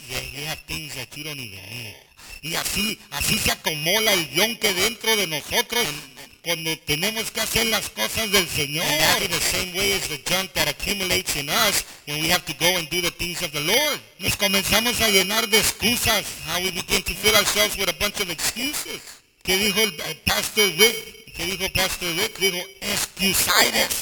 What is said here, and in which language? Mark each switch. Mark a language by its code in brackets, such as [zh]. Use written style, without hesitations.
[en] Yeah, you have things that you don't even need. [es] Y así se acomola el guión que dentro de nosotros cuando tenemos que hacer las cosas del Señor. [en] And in the same way as the junk that accumulates in us when we have to go and do the things of the Lord. [es] Nos comenzamos a llenar de excusas. [en] How we begin to fill ourselves with a bunch of excuses. [es] ¿Qué dijo el Pastor Rick? ¿Qué dijo Pastor Rick? Dijo, excusitis.